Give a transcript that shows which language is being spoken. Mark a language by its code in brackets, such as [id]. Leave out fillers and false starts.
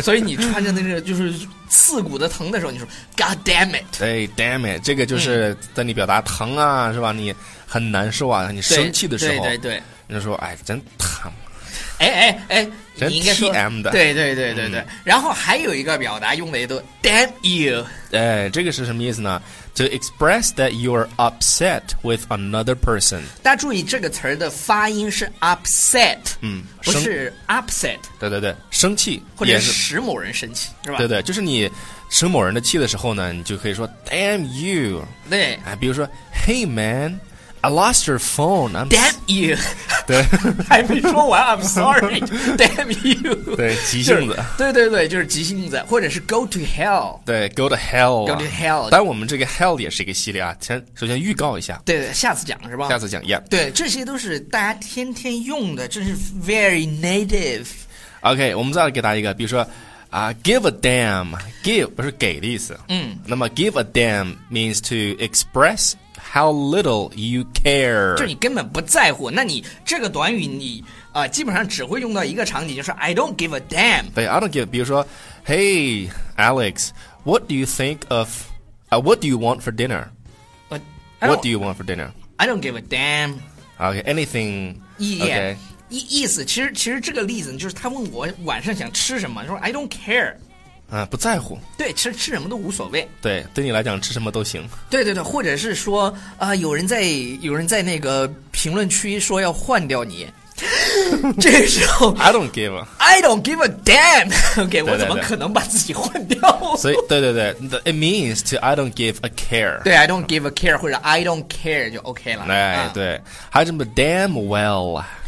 [zh] 所以你穿着那个就是刺骨的疼的时候，你说 [en] God damn it。 [zh] 对， damn it 这个就是在你表达疼啊、嗯、是吧，你很难受啊，你生气的时候。对对对，你就说哎真疼，哎真 TM 的。对对对对对、嗯、然后还有一个表达用的也都 damn you。哎，这个是什么意思呢？ [en] To express that you're upset with another person。 [zh] 大家注意这个词的发音是 upset、嗯、不是 upset。对对对，生气或者使某人生气是吧。对对，就是你生某人的气的时候呢，你就可以说 damn you。对、 [en] 哎、 [zh] 比如说 [en] hey man I lost your phone、I'm、 damn you。 [zh] 对，还没说完 [en] I'm sorry damn you。 [zh] 对，急性子、就是、对对对，就是急性子，或者是 go to hell。 [en] 对， go to hell、啊、 go to hell。 [zh] 但我们这个 hell 也是一个系列啊，首先预告一下。对， 对，下次讲是吧，下次讲、yeah、对，这些都是大家天天用的，真是 very native。 OK, 我们再来给大家一个，比如说give a damn。 give 不是给的意思。嗯， [en] 那么 give a damn means to expressHow little you care. [zh] 就你根本不在乎，那你这个短语你、基本上只会用到一个场景，就是 [en] I don't give a damn. 对， I don't give, 比如说 Hey Alex, what do you think of、what do you want for dinner? What do you want for dinner? I don't give a damn. Okay, anything. Yeah、 okay. [zh] 意思其实这个例子就是他问我晚上想吃什么，说 [en] I don't care。 [zh] 不在乎。对，其实吃什么都无所谓。对，对你来讲吃什么都行。对对对，或者是说有人在那个评论区说要换掉你。这时候 [en] I don't give a damn. [zh] OK, 我怎么可能把自己换掉。所以对对对， [en] It means to I don't give a care. 对， I don't give a care [zh] 或者 [en] I don't care [zh] 就 OK 了。对、对，还有什么 damn well。